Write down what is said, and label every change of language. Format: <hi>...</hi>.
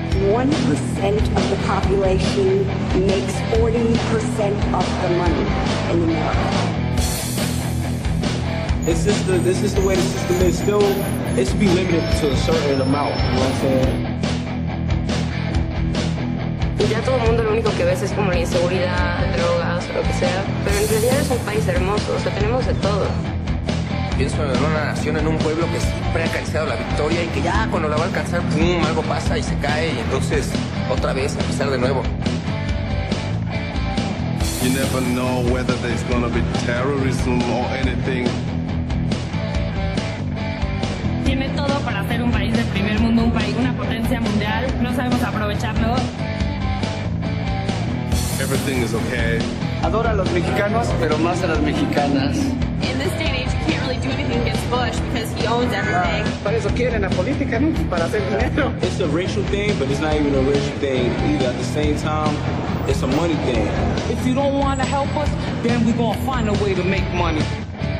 <en>1% of the population makes 40% of the money in America. This is the way the system is. Still, it should be limited to a certain amount. You know what I'm saying?</en> <es>Ya todo el mundo lo único que ves es como la inseguridad, drogas o lo que sea. Pero en realidad es un país hermoso, o sea, tenemos de todo. Pienso en una nación, en un pueblo que siempre ha acariciado la victoria y que ya cuando la va a alcanzar, ¡pum!, algo pasa y se cae y entonces otra vez a empezar de nuevo.</es> <en>You never know whether there's gonna be terrorism or anything.</en> <es>Tiene todo para ser un país de primer mundo, un país, una potencia mundial. No sabemos aprovecharlo.</es> <en>Everything is okay.</en> <es>Adora a los mexicanos, pero más a las mexicanas.</es> <en>In this day and age, you can't really do anything against Bush because he owns everything.</en> <es>Para eso quieren la política, ¿no? Para hacer dinero.</es> <en>It's a racial thing, but it's not even a racial thing either. At the same time, it's a money thing. If you don't want to help us, then we're going to find a way to make money.</en>